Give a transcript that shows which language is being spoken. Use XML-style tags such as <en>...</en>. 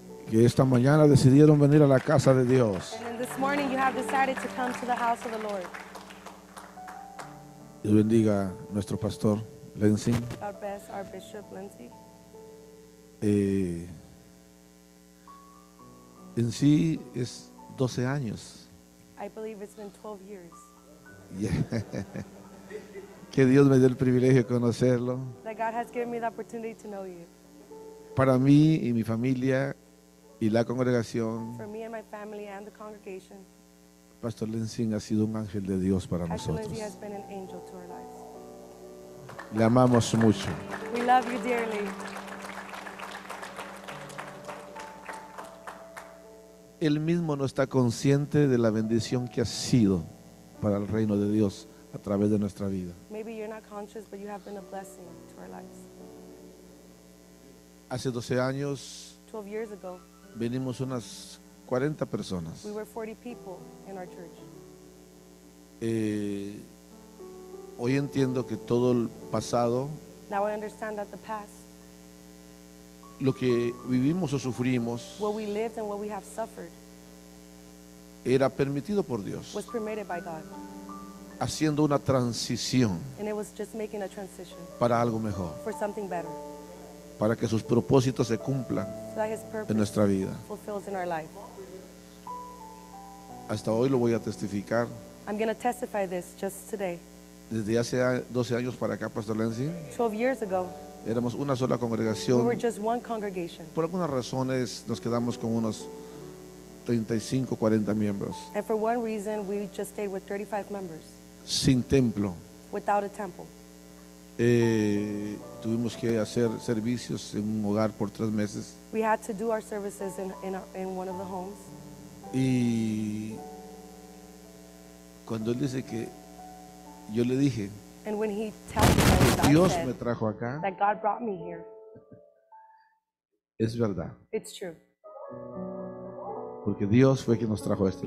<es>Que esta mañana decidieron venir a la casa de Dios.</es> <en>And this morning you have decided to come to the house of the Lord.</en> <es>Dios bendiga nuestro pastor. Lensing.</es> <en>Our best, our Bishop Lensing.</en> <es>En sí es 12 años.</es> <en>I believe it's been 12 years. Yeah.</en> <es>Que Dios me dio el privilegio de conocerlo.</es> <en>That God has given me the opportunity to know you.</en> <es>Para mí y mi familia y la congregación.</es> <en>For me and my family and the congregation.</en> <es>Pastor Lenzing ha sido un ángel de Dios para</es> <en>Pastor</en> <es>nosotros.</es> <en>Lenzing has been an angel to our lives.</en> <es>Le amamos mucho.</es> <en>We love you dearly.</en> <es>Él mismo no está consciente de la bendición que ha sido para el reino de Dios a través de nuestra vida.</es> <en>Maybe you're not conscious, but you have been a blessing to our lives.</en> <es>Hace 12 años,</es> <en>12 years ago,</en> <es>venimos unas 40 personas.</es> <en>We were 40 people in our church.</en> <es>Hoy entiendo que todo el pasado,</es> <en>now I understand that the past,</en> <es>lo que vivimos o sufrimos,</es> <en>what we lived and what we have suffered,</en> <es>era permitido por Dios,</es> <en>was permitted by God,</en> <es>haciendo una transición,</es> <en>and it was just making a transition,</en> <es>para algo mejor,</es> <en>for something better,</en> <es>para que sus propósitos se cumplan,</es> <en>so that his purpose</en> <es>en nuestra vida,</es> <en>fulfills in our life.</en> <es>Hasta hoy lo voy a testificar.</es> <en>I'm going to testify this just today.</en> <es>Desde hace 12 años para acá, Pastor Lenzi,</es> <en>12 years ago,</en> <es>éramos una sola congregación.</es> <en>We were just one congregation.</en> <es>Por algunas razones nos quedamos con unos 35, 40 miembros.</es> <en>And for one reason, we just stayed with 35 members.</en> <es>Sin templo.</es> <en>Without a temple.</en> <es>Tuvimos que hacer servicios en un hogar por 3 meses.</es> <en>We had to do our services in one of the homes.</en> <es>Y cuando él dice que yo le dije,</es> <en>and when he tells me that</en> <es>Dios me trajo acá,</es> <en>that God brought me here,</en> <es>es verdad.</es> <en>It's true.</en> <es>Porque Dios fue quien nos trajo a este</es>